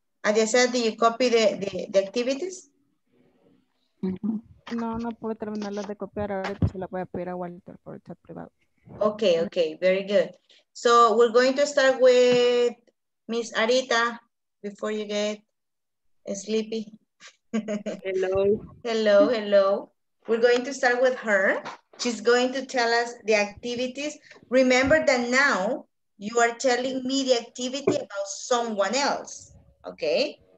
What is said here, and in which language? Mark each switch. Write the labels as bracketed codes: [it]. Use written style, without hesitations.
[en] As I said, do you copy the activities? [es] No, no puedo terminarlas de copiar. Ahora se las voy a pedir a Walter por chat privado. [en] Okay, okay, very good. So we're going to start with Miss Arita before you get sleepy. Hello. Hello, hello. We're going to start with her. She's going to tell us the activities. Remember that now you are telling me the activity about someone else, okay?